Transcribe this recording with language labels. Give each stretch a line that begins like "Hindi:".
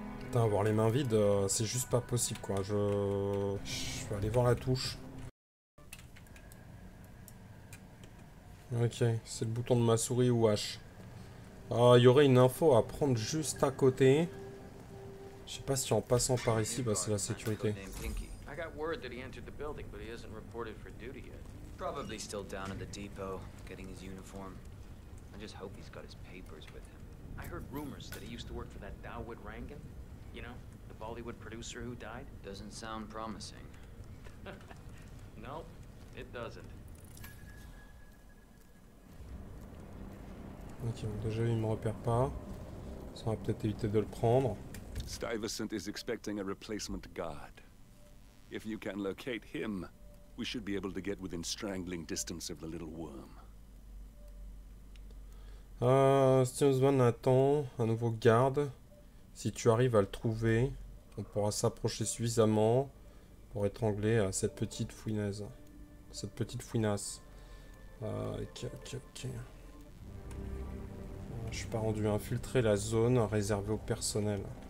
French: Putain, avoir les mains vides, c'est juste pas possible, quoi. Je vais aller voir la touche. Ok, c'est le bouton de ma souris ou H. Y aurait une info à prendre juste à côté. Je sais pas si en passant par ici, bah c'est la sécurité.
English: I got word that he entered the building, but he hasn't reported for duty yet. Probably still down at the depot, getting his uniform. I just hope he's got his papers with him. I heard rumors that he used to work for that Dawood Rangan. You know, the Bollywood producer who died? Doesn't sound promising. No, it doesn't.
French: Ok, bon, déjà il me repère pas. Ça va peut-être éviter de le prendre.
English: Stuyvesant is expecting a replacement guard. If you can locate him, we should be able to get within strangling distance of the little worm.
French: Stuyvesant attend un nouveau garde. Si tu arrives à le trouver, on pourra s'approcher suffisamment pour étrangler cette petite fouinaise. Cette petite fouinasse. Ok. Je suis pas rendu infiltrer la zone réservée au personnel.